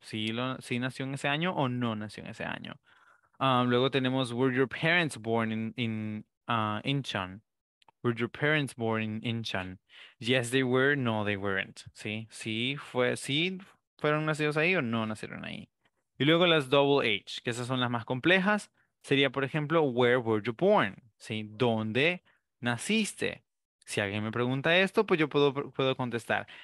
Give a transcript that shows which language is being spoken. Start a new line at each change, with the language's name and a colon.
Spanish: ¿Sí nació en ese año o no nació en ese año? Luego tenemos,
English: were your parents born in Incheon? Were your parents born in Incheon? Yes they were, no they weren't, ¿sí?
Spanish: ¿Sí fueron nacidos ahí o no nacieron ahí? Y luego las double H, que esas son las más complejas. Sería, por ejemplo,
English: where were you born?
Spanish: ¿Sí? ¿Dónde naciste? Si alguien me pregunta esto, pues yo puedo contestar.